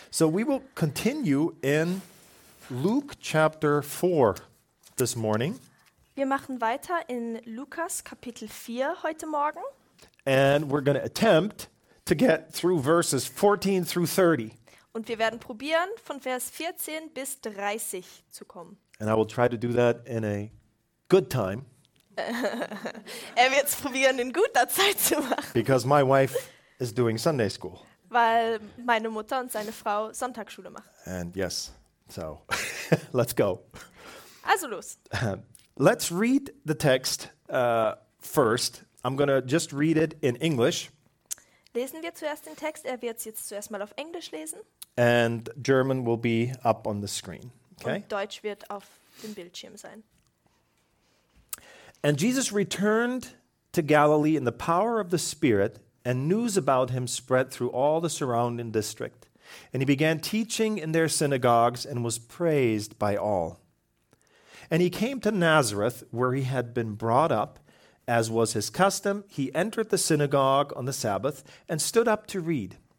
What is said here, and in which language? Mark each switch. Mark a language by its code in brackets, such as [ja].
[en] So we will continue in Luke chapter 4 this morning. [de] Wir machen weiter in Lukas Kapitel 4 heute Morgen. [en] And we're going to attempt to get through verses 14 through 30. [de] Und wir werden probieren, von Vers 14 bis 30 zu kommen. [en] And I will try to do that in a good time. [de] Er wird es probieren, in guter Zeit zu machen. [en] Because my wife is doing Sunday school. [de] Weil meine Mutter und seine Frau Sonntagsschule machen. [en] And yes, so, let's go. [de] Also los. [en] Let's read the text first. I'm going to just read it in English. [de] Lesen wir zuerst den Text. Er wird es jetzt zuerst mal auf Englisch lesen. [en] And German will be up on the screen. Okay? [de] Und Deutsch wird auf dem Bildschirm sein. [en] And Jesus returned to Galilee in the power of the Spirit, and news about him spread through all the surrounding district. And he began teaching in their synagogues and was praised by all. And he came to Nazareth, where he had been brought up. As was his custom, he entered the synagogue on the Sabbath and stood up to read.